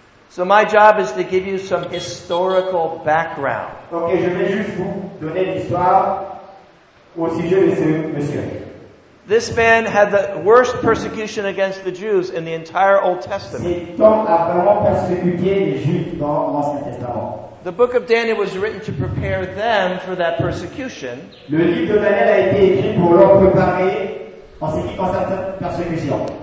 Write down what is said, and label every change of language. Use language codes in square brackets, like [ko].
[en] So my job is to give you some historical background. [fr] Okay, je vais juste vous donner l'histoire au sujet de ce monsieur. [en] This man had the worst persecution against the Jews in the entire Old Testament. [fr] Cet homme a vraiment persécuté les Juifs dans l'Ancien Testament. [en] The book of Daniel was written to prepare them for that persecution. [fr] Le livre de Daniel a été écrit pour leur préparer en ce qui concerne cette persécution.